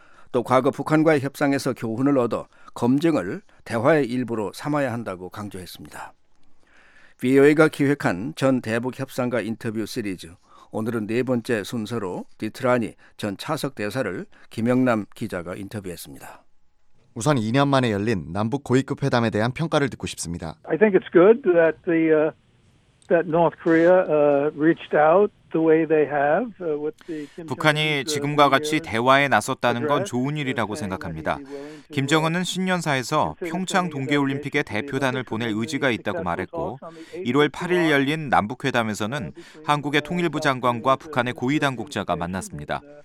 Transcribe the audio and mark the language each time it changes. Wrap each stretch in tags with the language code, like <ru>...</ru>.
<ko>또 과거 북한과의 협상에서 교훈을 얻어 검증을 대화의 일부로 삼아야 한다고 강조했습니다. VOA가 기획한 전 대북 협상가 인터뷰 시리즈 오늘은 네 번째 순서로 디트라니 전 차석 대사를 김영남 기자가 인터뷰했습니다. 우선 2년 만에 열린 남북 고위급 회담에 대한 평가를 듣고 싶습니다.</ko> <en>I think it's good that the that North Korea reached out the way they have with the</en> <ko>북한이 지금과 같이 대화에 나섰다는 건 좋은 일이라고 생각합니다. 김정은은 신년사에서 평창 동계올림픽에 대표단을 보낼 의지가 있다고 말했고 1월 8일 열린 남북회담에서는 한국의 통일부 장관과 북한의 고위 당국자가 만났습니다.</ko>